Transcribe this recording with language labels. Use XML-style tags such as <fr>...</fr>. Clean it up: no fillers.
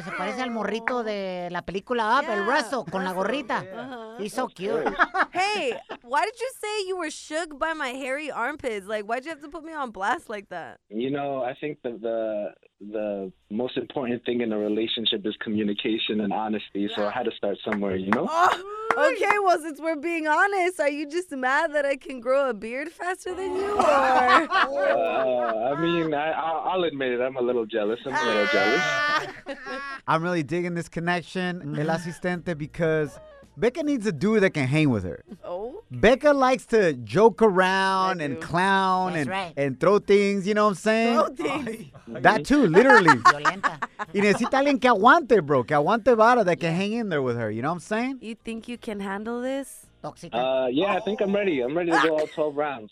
<es>Se parece al morrito de la película Up, yeah, el Russell, con la gorrita.</es> <en>Yeah. Uh-huh. He's so cute. Hey, why did you say you were shook by my hairy armpits? Like, why'd you have to put me on blast like that? You know, I think the most important thing in a relationship is communication and honesty, yeah, so I had to start somewhere, you know? Oh, okay, well, since we're being honest, are you just mad that I can grow a beard faster than you are? I'll admit it. I'm a little jealous. I'm really digging this connection, mm-hmm, El Asistente, because Becca needs a dude that can hang with her. Okay. Becca likes to joke around and clown and throw things, you know what I'm saying? Throw things. That too, literally.</en> <es>Y necesita alguien que aguante, bro. Que aguante vara,</es> <en>that can hang in there with her. You know what I'm saying? You think you can handle this? I think I'm ready. I'm ready to go all 12 rounds.</en>